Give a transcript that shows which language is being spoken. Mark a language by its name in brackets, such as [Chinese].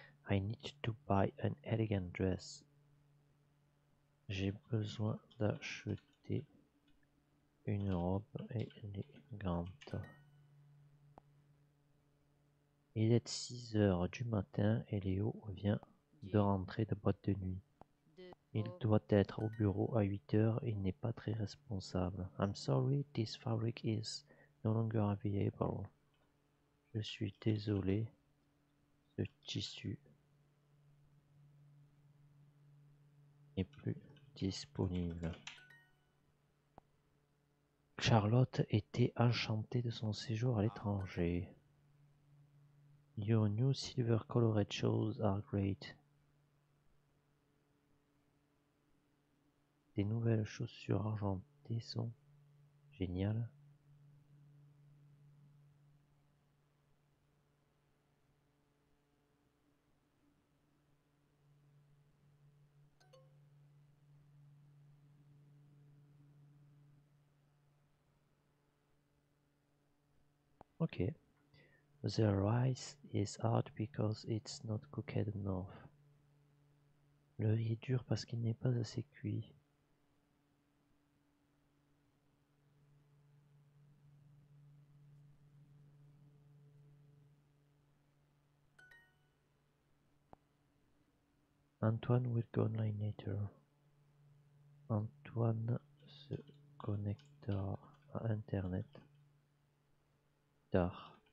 [English] I need to buy an elegant dress. [French] J'ai besoin d'acheter une robe élégante. Il est 6 h du matin et Léo vient de rentrer de boîte de nuit. Il doit être au bureau à 8 h, il n'est pas très responsable. [English] I'm sorry, this fabric is no longer available. [French] Je suis désolé, ce tissu n'est plus disponible. Charlotte était enchantée de son séjour à l'étranger. [English] Your new silver colored shoes are great. [French] Tes nouvelles chaussures argentées sont géniales. Ok. [English] The rice is hard because it's not cooked enough. [French] Le riz est dur parce qu'il n'est pas assez cuit. [English] Antoine will go online later. [French] Antoine se connectera à Internet tard.